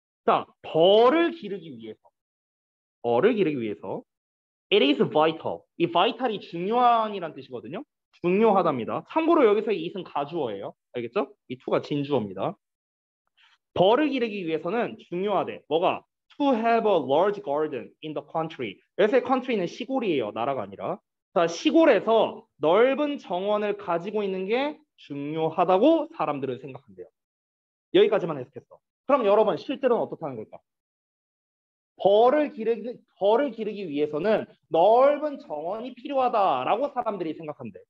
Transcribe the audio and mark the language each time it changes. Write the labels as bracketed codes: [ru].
[ko] 자, 벌을 기르기 위해서. 벌을 기르기 위해서. [en] It is vital. [ko] 이 vital이 중요한이란 뜻이거든요. 중요하답니다. 참고로 여기서 it은 가주어예요. 알겠죠? 이 to가 진주어입니다. 벌을 기르기 위해서는 중요하대. 뭐가? [en] To have a large garden in the country. [ko] 요새 country는 시골이에요. 나라가 아니라. 자, 시골에서 넓은 정원을 가지고 있는 게 중요하다고 사람들은 생각한대요. 여기까지만 해석했어. 그럼 여러분, 실제로는 어떻다는 걸까? 벌을 기르기 위해서는 넓은 정원이 필요하다라고 사람들이 생각한대.